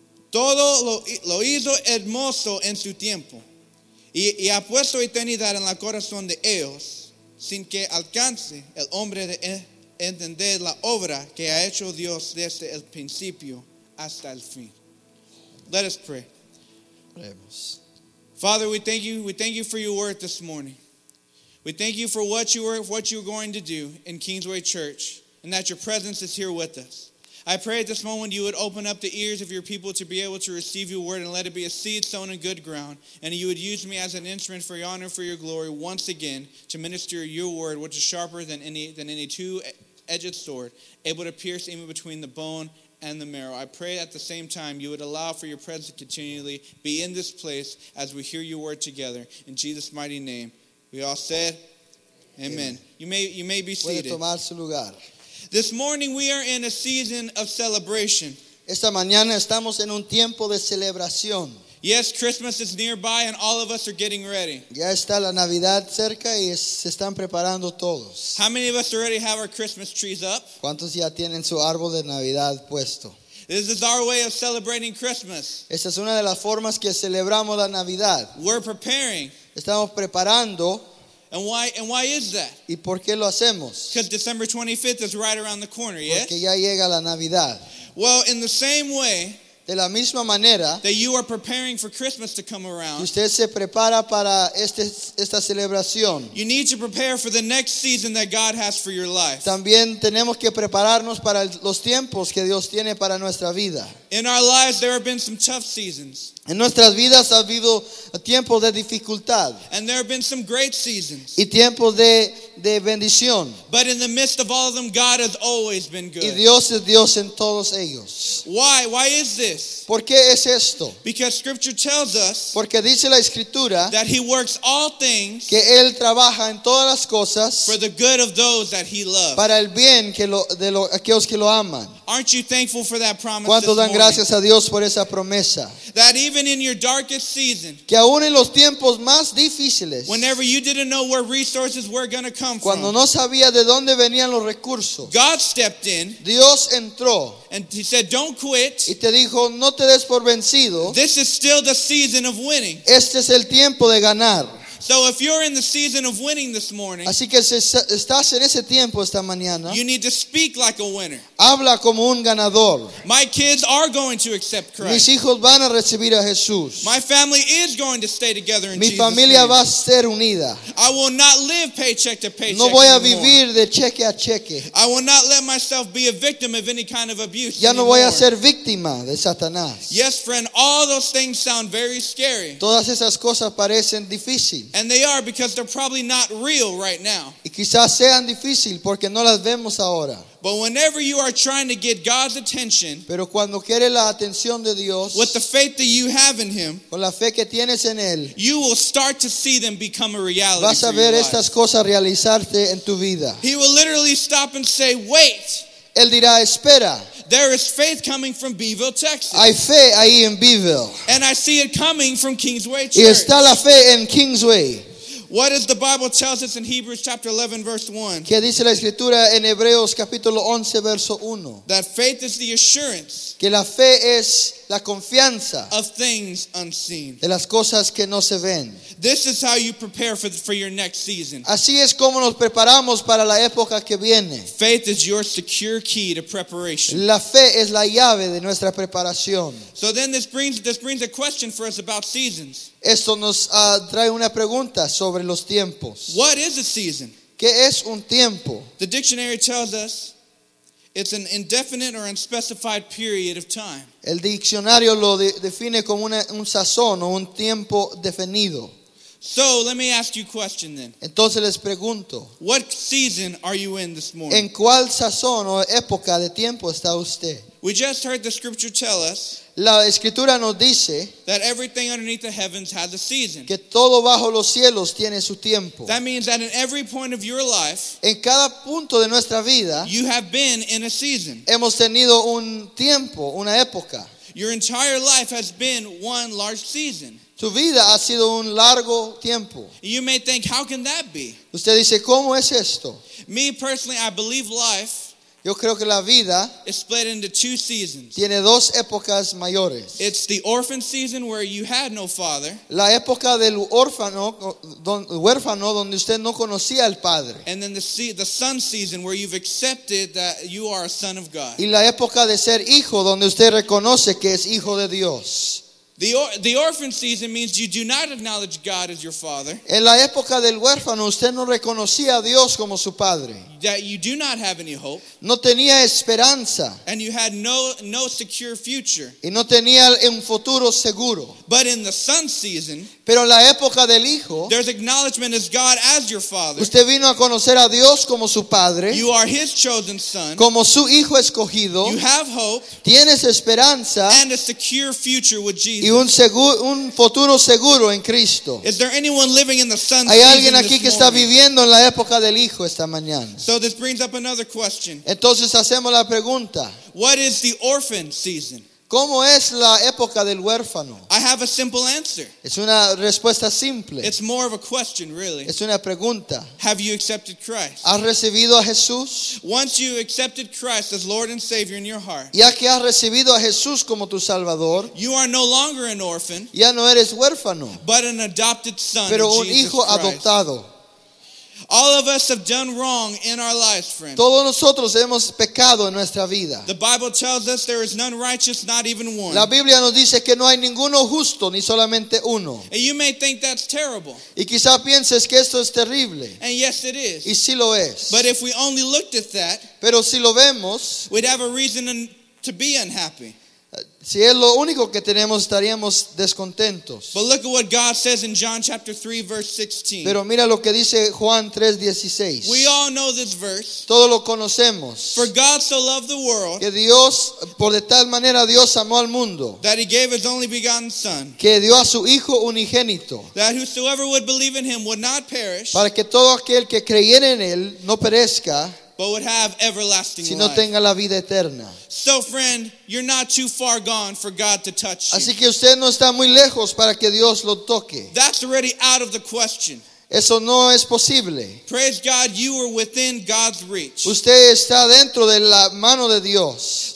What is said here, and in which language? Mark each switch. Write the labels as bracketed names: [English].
[Spanish] Todo lo hizo hermoso en su tiempo, y ha puesto eternidad en el corazón de ellos, sin que alcance el hombre de entender la obra que ha hecho Dios desde el principio hasta el fin. [English] Let us pray. [Spanish] Oremos. [English] Father, we thank you. We thank you for your word this morning. We thank you for what you're going to do in Kingsway Church, and that your presence is here with us. I pray at this moment you would open up the ears of your people to be able to receive your word and let it be a seed sown in good ground, and you would use me as an instrument for your honor, for your glory, once again to minister your word, which is sharper than any two-edged sword, able to pierce even between the bone and the marrow. I pray at the same time you would allow for your presence to continually be in this place as we hear your word together. In Jesus' mighty name, we all said amen. Amen. You may be seated. [Spanish] Puede tomar su lugar. [English] This morning we are in a season of celebration. [Spanish] Esta mañana estamos en un tiempo de celebración. [English] Yes, Christmas is nearby and all of us are getting ready. [Spanish] Ya está la Navidad cerca y se están preparando todos. [English] How many of us already have our Christmas trees up? [Spanish] ¿Cuántos ya tienen su árbol de Navidad puesto? [English] This is our way of celebrating Christmas. [Spanish] Esta es una de las formas que celebramos la Navidad. [English] We're preparing. [Spanish] Estamos preparando. [English] And why is that? [Spanish] ¿Y por qué lo hacemos? [English] Because December 25th is right around the corner, [Spanish] porque [English] yes? [Spanish] Porque ya llega la Navidad. [English] Well, in the same way, [Spanish] de la misma manera, [English] that you are preparing for Christmas to come around, [Spanish] usted se prepara para esta celebración. [English] You need to prepare for the next season that God has for your life. [Spanish] También tenemos que prepararnos para los tiempos que Dios tiene para nuestra vida. [English] In our lives, there have been some tough seasons. [Spanish] En nuestras vidas ha habido tiempos de dificultad. [English] And there have been some great seasons. [Spanish] Y tiempos de bendición. [English] But in the midst of all of them, God has always been good. [Spanish] Y Dios es Dios en todos ellos. [English] Why? Why is this? [Spanish] ¿Por qué es esto? [English] Because Scripture tells us, [Spanish] porque dice la Escritura, [English] that He works all things, [Spanish] que Él trabaja en todas las cosas, [English] for the good of those that He loves, [Spanish] para el bien que aquellos que lo aman. [English] Aren't you thankful for that promise? [Spanish] ¿Cuántos dan [English] morning? [Spanish] Gracias a Dios por esa promesa? [English] That even in your darkest season, [Spanish] que aún en los tiempos más difíciles, [English] whenever you didn't know where resources were going to come [Spanish] cuando [English] from, [Spanish] no sabía de dónde venían los recursos, [English] God stepped in, [Spanish] Dios entró, [English] and He said, "Don't quit." [Spanish] Y te dijo, no te des por vencido. [English] This is still the season of winning. [Spanish] Este es el tiempo de ganar. [English] So if you're in the season of winning this morning, [Spanish] así que si estás en ese tiempo esta mañana, [English] you need to speak like a winner. [Spanish] Habla como un ganador. [English] My kids are going to accept Christ. [Spanish] Mis hijos van a recibir a Jesús. [English] My family is going to stay together in [Spanish] mi [English] Jesus' [Spanish] familia [English] name. [Spanish] Va a ser unida. [English] I will not live paycheck to paycheck. [Spanish] No voy [English] anymore. [Spanish] A vivir de cheque a cheque. [English] I will not let myself be a victim of any kind of abuse. [Spanish] Ya no [English] anymore. [Spanish] Voy a ser víctima de Satanás. [English] Yes, friend, all those things sound very scary. [Spanish] Todas esas cosas parecen difíciles. [English] And they are because they're probably not real right now. [Spanish] Y quizás sean difícil porque no las vemos ahora. [English] But whenever you are trying to get God's attention, [Spanish] pero cuando quiere la atención de Dios, [English] with the faith that you have in Him, [Spanish] con la fe que tienes en Él, [English] you will start to see them become a reality. [Spanish] Vas a ver estas cosas realizarte en tu vida. [English] He will literally stop and say, "Wait." [Spanish] Él dirá, espera. [English] There is faith coming from Beeville, Texas. [Spanish] Hay fe ahí en Beeville. [English] And I see it coming from Kingsway Church. [Spanish] Y está la fe en Kingsway. [English] What does the Bible tells us in Hebrews chapter 11, verse 1? [Spanish] ¿Qué dice la Escritura en Hebreos capítulo 11, verso 1? [English] That faith is the assurance, [Spanish] que la fe es la confianza, [English] of things unseen, [Spanish] de las cosas que no se ven. [English] This is how you prepare for your next season. [Spanish] Así es como nos preparamos para la época que viene. [English] Faith is your secure key to preparation. [Spanish] La fe es la llave de nuestra preparación. [English] So then this brings a question for us about seasons. [Spanish] Esto nos trae una pregunta sobre los tiempos. [English] What is a season? [Spanish] ¿Qué es un tiempo? [English] The dictionary tells us it's an indefinite or unspecified period of time. [Spanish] El diccionario lo define como un sazón o un tiempo definido. [English] So let me ask you a question then. [Spanish] Entonces les pregunto. [English] What season are you in this morning? [Spanish] ¿En cuál sazón o época de tiempo está usted? [English] We just heard the scripture tell us. [Spanish] La escritura nos dice. [English] That everything underneath the heavens has a season. [Spanish] Que todo bajo los cielos tiene su tiempo. [English] That means that in every point of your life. [Spanish] En cada punto de nuestra vida. [English] You have been in a season. [Spanish] Hemos tenido un tiempo, una época. [English] Your entire life has been one large season. [Spanish] Tu vida ha sido un largo tiempo. [English] You may think, how can that be? [Spanish] Usted dice, ¿cómo es esto? [English] Me personally, I believe life. [Spanish] Yo creo que la vida [English] is split into two seasons. [Spanish] Tiene dos épocas mayores. [English] It's the orphan season where you had no father. [Spanish] La época del huérfano, huérfano donde usted no conocía al padre. [English] And then the son season where you've accepted that you are a son of God. [Spanish] Y la época de ser hijo donde usted reconoce que es hijo de Dios. [English] The orphan season means you do not acknowledge God as your father. [Spanish] En la época del huérfano, usted no reconocía a Dios como su padre. [English] That you do not have any hope. [Spanish] No tenía esperanza. [English] And you had no secure future. [Spanish] Y no tenía un futuro seguro. [English] But in the son season, [Spanish] pero la época del hijo, [English] there's acknowledgement as God as your father. [Spanish] Usted vino a conocer a Dios como su padre. [English] You are his chosen son. [Spanish] Como su hijo escogido. [English] You have hope. [Spanish] Tienes esperanza. [English] And a secure future with Jesus. [Spanish] Y un futuro seguro en Cristo. [English] Is there anyone living in the son season? [Spanish] Hay alguien aquí que está viviendo en la época del hijo esta mañana. [English] So this brings up another question. [Spanish] Entonces hacemos la pregunta. [English] What is the orphan season? [Spanish] ¿Cómo es la época del huérfano? [English] I have a simple answer. [Spanish] Es una respuesta simple. [English] It's more of a question, really. [Spanish] Es una pregunta. [English] Have you accepted Christ? [Spanish] ¿Has recibido a Jesús? [English] Once you accepted Christ as Lord and Savior in your heart, [Spanish] ya que has recibido a Jesús como tu Salvador, [English] you are no longer an orphan, [Spanish] ya no eres huérfano, [English] but an adopted son, [Spanish] pero [English] Jesus [Spanish] un hijo [English] Christ. [Spanish] Adoptado. [English] All of us have done wrong in our lives, friend. [Spanish] Todos nosotros hemos pecado en nuestra vida. [English] The Bible tells us there is none righteous, not even one. [Spanish] La Biblia nos dice que no hay ninguno justo, ni solamente uno. [English] And you may think that's terrible. [Spanish] Y quizá pienses que esto es terrible. [English] And yes, it is. [Spanish] Y sí lo es. [English] But if we only looked at that, [Spanish] pero si lo vemos, [English] we'd have a reason to be unhappy. [Spanish] Si es lo único que tenemos, estaríamos descontentos. [English] But look at what God says in John chapter 3 verse 16. [Spanish] Pero mira lo que dice Juan 3:16. [English] We all know this verse. [Spanish] Todos lo conocemos. [English] For God so loved the world. [Spanish] Que Dios, por de tal manera Dios amó al mundo. [English] That he gave his only begotten son. [Spanish] Que dio a su hijo unigénito. [English] That whosoever would believe in him would not perish. [Spanish] Para que todo aquel que creyera en él no perezca. [English] But would have everlasting life. [Spanish] Si no tenga la vida eterna. [English] So friend, you're not too far gone for God to touch you. [Spanish] Así que usted no está muy lejos para que Dios lo toque. [English] That's already out of the question. [Spanish] Eso no es posible. [English] Praise God, you are within God's reach. [Spanish] Usted está dentro de la mano de Dios.